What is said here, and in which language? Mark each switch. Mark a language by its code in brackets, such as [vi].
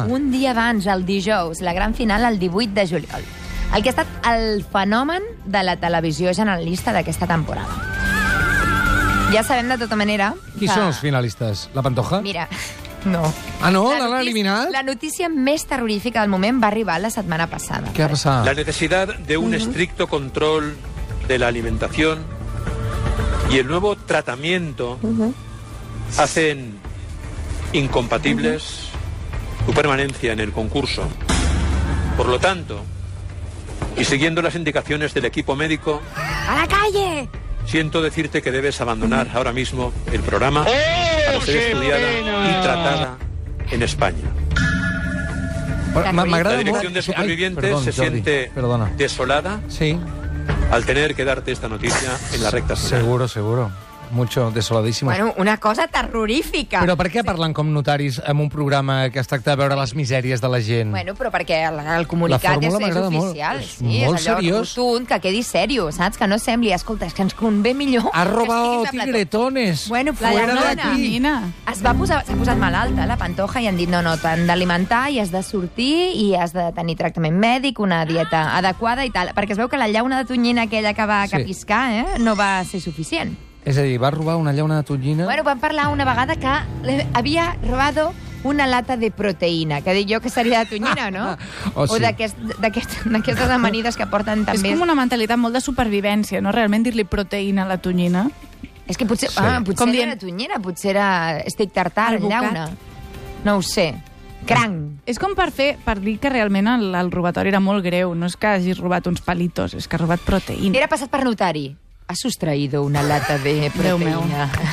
[ca] Un dia abans, el dijous, la gran final, el 18 de juliol. El que ha estat el fenomen de la televisió generalista d'aquesta temporada. Ja sabem, de tota manera... Qui són els finalistes? La Pantoja? Mira, no. Ah, no? L'han eliminat? La notícia més terrorífica del moment va arribar la setmana passada. Què ha passat? [es] La necessitat d'un estricto control de la alimentación y el nuevo tratamiento... hacen incompatibles tu permanencia en el concurso. Por lo tanto, y siguiendo las indicaciones del equipo médico... ¡A la calle! Siento decirte que debes abandonar ahora mismo el programa para ser estudiada y tratada en España. La dirección de supervivientes se siente desolada sí. Al tener que darte esta noticia en la recta final. Seguro, seguro. Mucho desoladísimo. Bueno, una cosa terrorífica. [ca] Però per què parlen com notaris en un programa que es tracta de veure les misèries de la gent? Bueno, però perquè el comunicat és oficial. La fórmula m'agrada molt. Sí, és allò rotund, que quedi serio, saps? Que no sembli, escolta, és que ens convé millor... [es] Ha robado tigretones. Bueno, fuera [ca] d'aquí. S'ha posat malalta, la Pantoja, i han dit, no, t'han d'alimentar i has de sortir i has de tenir tractament mèdic, una dieta adequada i tal. Perquè es veu que la llauna de tonyina aquella que va capiscar no va ser suficient. És a dir, va robar una llauna de tonyina... Bueno, vam parlar una vegada que havia robat una lata de proteïna, que dic jo que seria de tonyina, no? Oh, sí. O d'aquestes amanides que porten també... És com una mentalitat molt de supervivència, no? Realment dir-li proteïna a la tonyina. És que potser, potser era dient... tonyina, potser era steak tartar, llauna. No ho sé. Cranc. És com per dir que realment el robatori era molt greu. No és que hagis robat uns palitos, és que ha robat proteïna. Era passat per notari. [es] Ha sustraído una lata de proteína.